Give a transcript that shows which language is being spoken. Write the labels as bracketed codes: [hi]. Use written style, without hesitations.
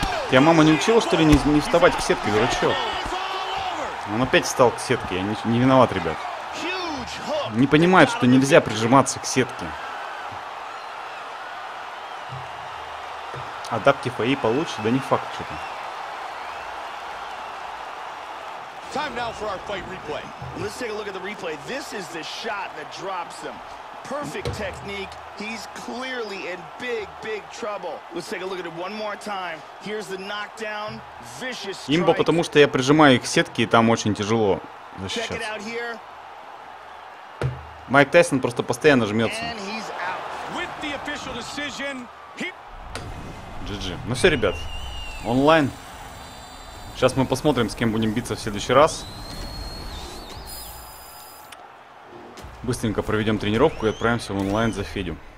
[ru] Тебя мама не учила, что ли, не вставать к сетке, дурачок? Он опять встал к сетке, я не виноват, ребят. Не понимает, что нельзя прижиматься к сетке. Адаптив AI получше, да не факт что-то. [en] Time now for our fight replay. Let's take a look at the replay. This is the shot that drops him. Perfect technique. He's clearly in big, big trouble. Let's take a look at it one more time. Here's the knockdown. Vicious strike. [ru] Имба, потому что я прижимаю их к сетке, и там очень тяжело защищаться. [en] Check it out here. [ru] Майк Тайсон просто постоянно жмется. [en] And he's out. With the official decision, he... [ru] GG. Ну все, ребят, онлайн. Сейчас мы посмотрим, с кем будем биться в следующий раз. Быстренько проведем тренировку и отправимся в онлайн за Федю.